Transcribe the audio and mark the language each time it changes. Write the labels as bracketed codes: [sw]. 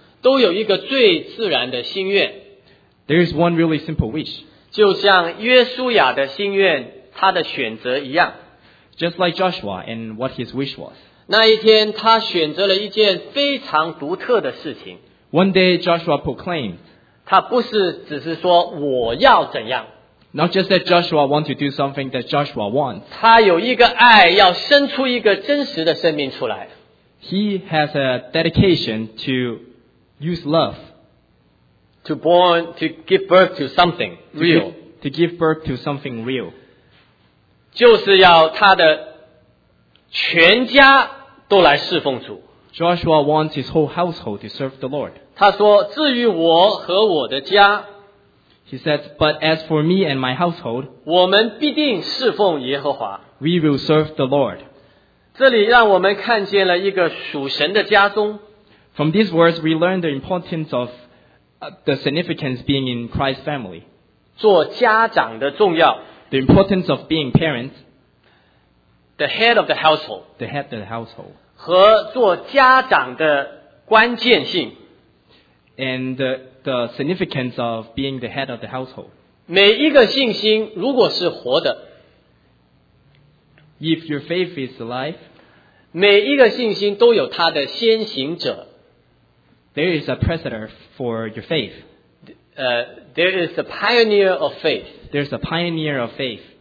[zh] 都有一个最自然的心愿, [en] there is one really simple wish. [zh] 就像约书亚的心愿, 他的选择一样, [en] just like Joshua and what his wish was. [zh] 那一天他选择了一件非常独特的事情, [en] one day Joshua proclaimed, [zh] 他不是只是说我要怎样, [en] not just that Joshua wants to do something that Joshua wants. [zh] 他有一个爱要生出一个真实的生命出来, [en] he has a dedication to use love, to give birth to something real, to give birth to something real. [zh] 就是要他的全家 都来侍奉主, [en] Joshua wants his whole household to serve the Lord. [zh] 他说, 至于我和我的家, [en] he says, but as for me and my household, [zh] 我们必定侍奉耶和华, [en] we will serve the Lord. [zh] 这里让我们看见了一个属神的家中, [en] from these words, we learn the importance of the significance being in Christ's family. [zh] 做家长的重要, [en] the importance of being parents, the head of the household, the head of the household, [zh] 和做家长的关键性, [en] and the significance of being the head of the household. [zh] 每一个信心如果是活的, [en] if your faith is alive, [zh] 每一个信心都有它的先行者, [en] there is a precedent for your faith. There is a pioneer of faith. There's a pioneer of faith